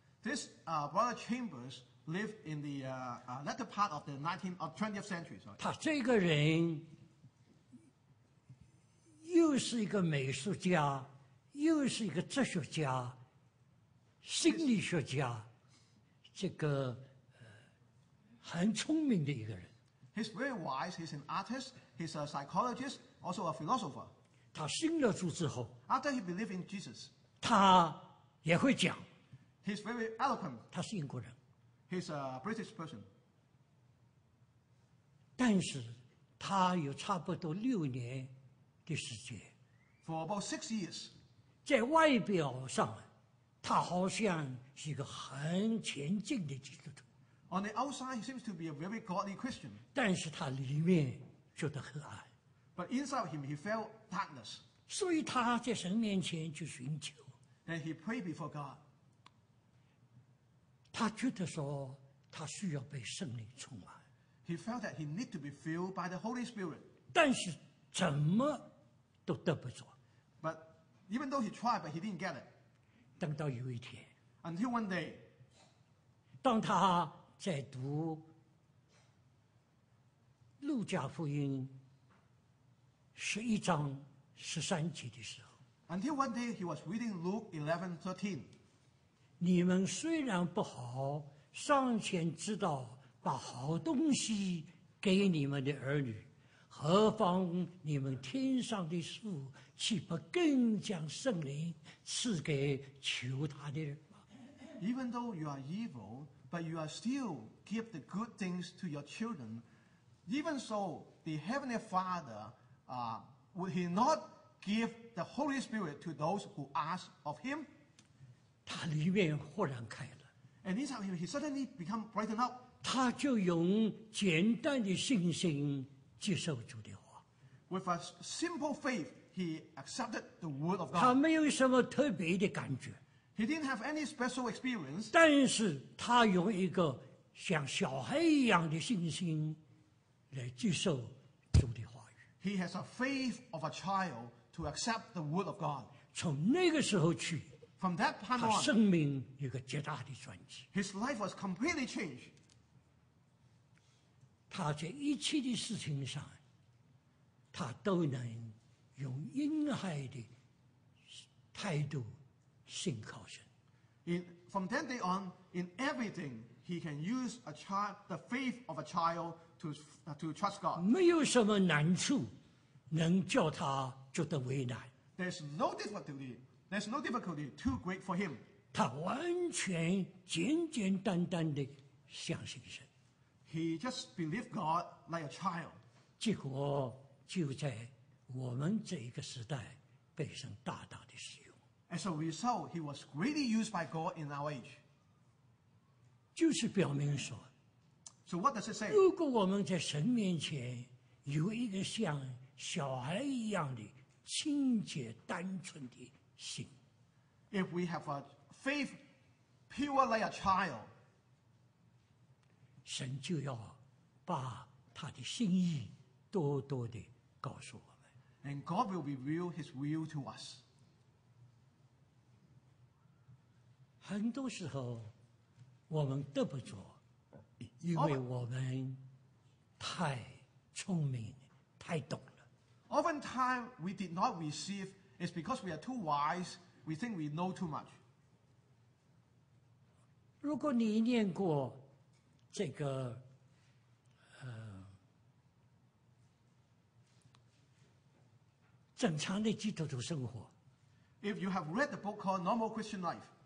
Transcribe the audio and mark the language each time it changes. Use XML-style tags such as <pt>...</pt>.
<en>This brother Chambers lived in the latter part of the 20th century.</en> <zh>他这个人又是一个美术家，又是一个哲学家、心理学家，这个。很聪明的一个人。</zh> <en>He's very wise. He's an artist. He's a psychologist, also a philosopher.</en> <zh>他信了主之后</zh> <en>，After he believed in Jesus,</en> <zh>他也会讲。</zh> <en>He's very eloquent.</en> <zh>他是英国人。</zh> <en>He's a British person.</en> <zh>但是他有差不多六年的时间。</zh> <en>For about 6 years.</en> <zh>在外表上，他好像是一个很前进的基督徒。</zh> <en>On the outside, he seems to be a very godly Christian.</en> <zh>但是他里面觉得黑暗。</zh> <en>But inside him, he felt darkness.</en> <zh>所以他在神面前去寻求。</zh> <en>Then he prayed before God.</en> <zh>他觉得说他需要被圣灵充满。</zh> <en>He felt that he needed to be filled by the Holy Spirit.</en> <zh>但是怎么都得不着。</zh> <en>But even though he tried, but he didn't get it.</en> <zh>等到有一天。</zh> <en>Until one day.</en> <zh>当他在读路加福音十一章十三节的时候</zh> <en>，Until one day he was reading Luke 11:13.</en> <zh>你们虽然不好，尚且知道把好东西给你们的儿女，何况你们天上的父，岂不更将圣灵赐给求他的人吗</zh> <en>？Even though you are evil. But you are still give the good things to your children. Even so, the Heavenly Father, would he not give the Holy Spirit to those who ask of him?</en> <zh>他里面豁然开了。</zh> <en>And inside him, he suddenly become brightened up.</en> <zh>他就用简单的信心接受主的话。</zh> <en>With a simple faith, he accepted the word of God.</en> <zh>他没有什么特别的感觉。</zh> <en>He didn't have any special experience.</en> <zh>但是他用一个像小孩一样的信心来接受主的话语。</zh> <en>He has a faith of a child to accept the word of God.</en> <zh>从那个时候去</zh> <en>，From that time on,</en> <zh>他生命有个极大的转机。</zh> <en>His life was completely changed.</en> <zh>他在一切的事情上，他都能用婴孩的态度。信靠神。</zh> <en>From that day on, in everything, he can use a child, the faith of a child to trust God.</en> <zh>没有什么难处能叫他觉得为难。</zh> <en>There's no difficulty too great for him.</en> <zh>他完全简简单单的相信神。</zh> <en>He just believed God like a child.</en> <zh>结果就在我们这一个时代被神大大的使用。</zh> <en>As a result, he was greatly used by God in our age.</en> <zh>就是表明说</zh> <en>So what does it say?</en> <zh>如果我们在神面前有一个像小孩一样的清洁单纯的心</zh> <en>If we have a faith pure like a child,</en> <zh>神就要把他的心意多多的告诉我们</zh> <en>And God will reveal his will to us.</en> <zh>很多时候我们得不着因为我们太聪明太懂了。</zh> <en>Oftentimes we did not receive it's because we are too wise, we think we know too much.</en> <zh>如果你念过这个正常的基督徒生活</zh> <en>If you have read the book called Normal Christian Life,</en>